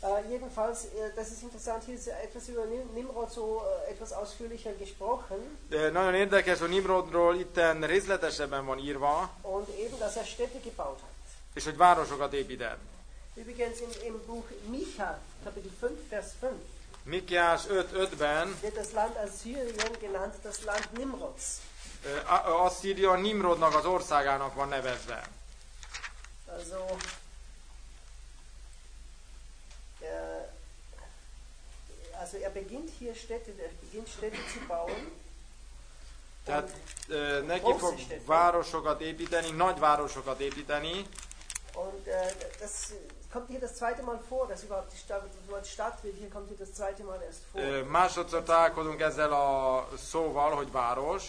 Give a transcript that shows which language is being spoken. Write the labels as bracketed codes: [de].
[de] jedenfalls, das ist interessant, hier ist etwas über Nimrod so etwas ausführlicher gesprochen. [hu] Nagyon érdekes, hogy Nimrodról itten részletesebben van írva. [de] Und eben, dass Städte gebaut hat. [hu] És hogy városokat épített. [de] Übrigens im Buch Micha, Kapitel 5, Vers 5. [hu] Mikiás 5:5-ben [de] wird das Land Assyrien genannt, das Land Nimrods. [hu] Asszíria Nimrodnak az országának van nevezve. [de] Also, also er beginnt hier Städte, er beginnt Städte zu bauen. [hu] Tehát neki fog Städte. Városokat építeni, nagy városokat építeni. [de] Und das kommt hier das zweite Mal vor, dass überhaupt die Stadt, das Wort Stadt wird, hier kommt hier das zweite Mal erst vor. [hu] Másodszor találkozunk ezzel a szóval, hogy város.